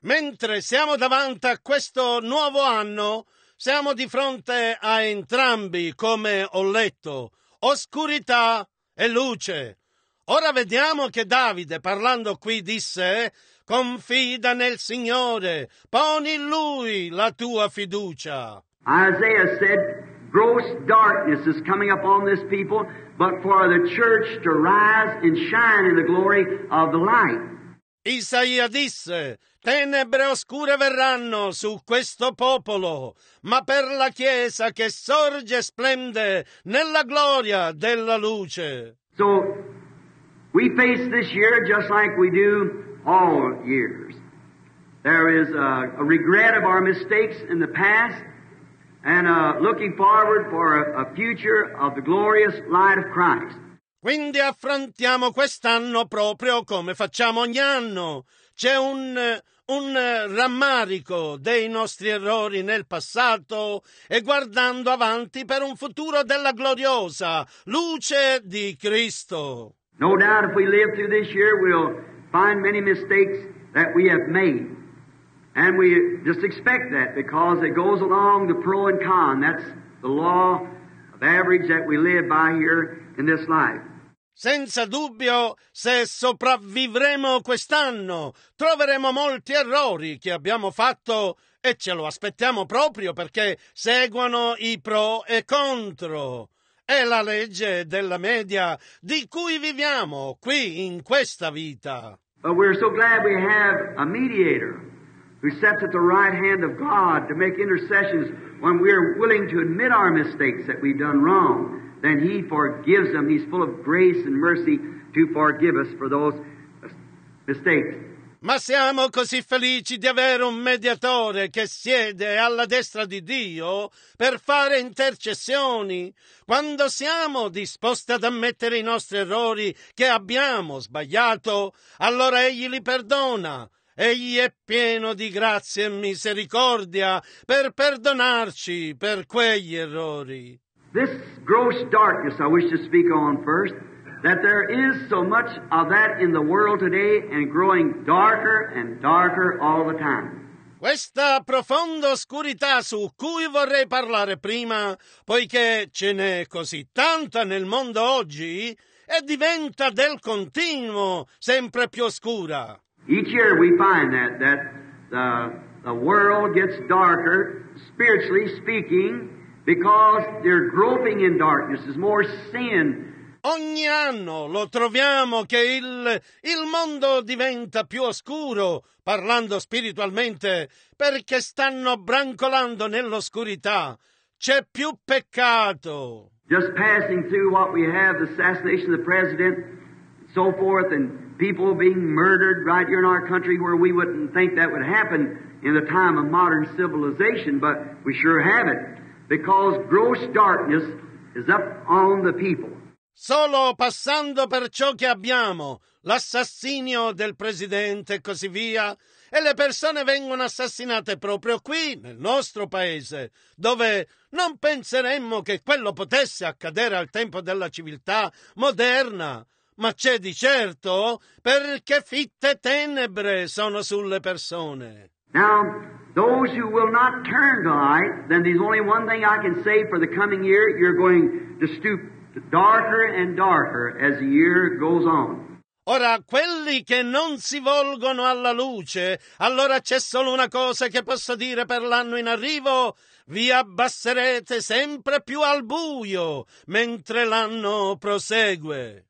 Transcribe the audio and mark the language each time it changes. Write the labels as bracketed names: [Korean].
[Italian] Mentre siamo davanti a questo nuovo anno, siamo di fronte a entrambi, come ho letto, oscurità e luce. Ora vediamo che Davide, parlando qui, disse, confida nel Signore, poni in Lui la tua fiducia. [English] Isaiah said, gross darkness is coming upon this people, but for the church to rise and shine in the glory of the light. [Italian] Isaia disse, tenebre oscure verranno su questo popolo, ma per la Chiesa che sorge e splende nella gloria della luce. [English] So, we face this year just like we do all years. There is a regret of our mistakes in the past, and looking forward for a future of the glorious light of Christ. [Italian] Quindi affrontiamo quest'anno proprio come facciamo ogni anno. C'è un rammarico dei nostri errori nel passato e guardando avanti per un futuro della gloriosa luce di Cristo. [English] No doubt if we live through this year we'll find many mistakes that we have made. And we just expect that because it goes along the pro and con. That's the law of average that we live by here in this life. [Italian] Senza dubbio, se sopravvivremo quest'anno, troveremo molti errori che abbiamo fatto e ce lo aspettiamo proprio perché seguono i pro e contro. È la legge della media di cui viviamo qui in questa vita. [English] But we're so glad we have a mediator who sits at the right hand of God to make intercessions when we are willing to admit our mistakes that we've done wrong. Then He forgives them. He's full of grace and mercy to forgive us for those mistakes. [Italian] Ma siamo così felici di avere un mediatore che siede alla destra di Dio per fare intercessioni. Quando siamo disposti ad ammettere i nostri errori che abbiamo sbagliato, allora Egli li perdona. Egli è pieno di grazia e misericordia per perdonarci per quegli errori. [English] This gross darkness I wish to speak on first, that there is so much of that in the world today and growing darker and darker all the time. [Italian] questa profonda oscurità su cui vorrei parlare prima, poiché ce n'è così tanta nel mondo oggi, e diventa del continuo sempre più oscura. [English] Each year we find that the world gets darker, spiritually speaking, because they're groping in darkness. There's more sin. [Italian] Ogni anno lo troviamo che il mondo diventa più oscuro, parlando spiritualmente, perché stanno brancolando nell'oscurità. C'è più peccato. [English] Just passing through what we have, the assassination of the president, and so forth, and people being murdered right here in our country where we wouldn't think that would happen in the time of modern civilization, but we sure have it, because gross darkness is up on the people. [Italian] Solo passando per ciò che abbiamo, l'assassinio del presidente e così via, e le persone vengono assassinate proprio qui, nel nostro paese, dove non penseremmo che quello potesse accadere al tempo della civiltà moderna. Ma c'è di certo, perché fitte tenebre sono sulle persone. [English] Now, those who will not turn tonight, then there's only one thing I can say for the coming year, you're going to stoop darker and darker as the year goes on. [Italian] Ora, quelli che non si volgono alla luce, allora c'è solo una cosa che posso dire per l'anno in arrivo: vi abbasserete sempre più al buio mentre l'anno prosegue.